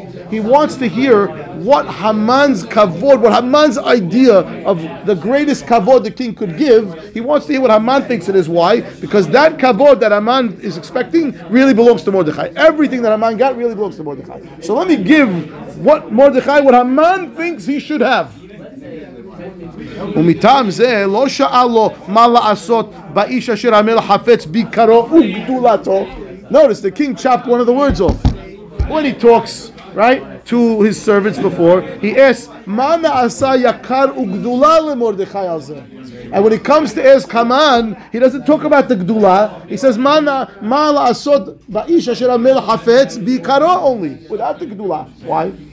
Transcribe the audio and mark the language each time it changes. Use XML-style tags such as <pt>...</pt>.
<en>He wants to hear what Haman's kavod, what Haman's idea of the greatest kavod the king could give. He wants to hear what Haman thinks it is. Why? Because that kavod that Haman is expecting really belongs to Mordechai. Everything that Haman got really belongs to Mordechai. So let me give what Mordechai, what Haman thinks he should have.</en> <he>ומיתם זה לא שאל לו מה לעשות באיש אשר המלך חפץ ביקרו וגדולתו.</he> <en>Notice the king chopped one of the words off when he talks, right, to his servants before. He asks,</en> <he>"Ma na'asa yakar ugdula leMordechai alze?"</he> <en>And when he comes to ask Haman, he doesn't talk about the gdula. He says,</en> <he>"Ma la'asod ba'ish asher amel hafetz bikaro</he> <en>only, without the gdula." Why?</en>